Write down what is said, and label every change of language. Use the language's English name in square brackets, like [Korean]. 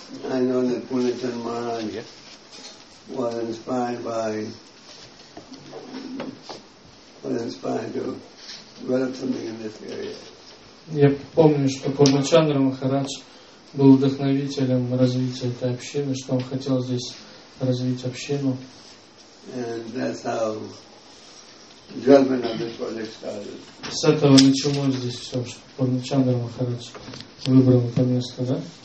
[English] I know that Пунитан Махарадж was inspired by to develop something in this area. [Russian] Я помню, что Пурмачандра Махарадж был вдохновителем развития этой общины, что он хотел здесь развить общину. [English] And that's how development of this project started. [Russian] С этого началось здесь все, что Пурмачандра Махарадж выбрал это место, да?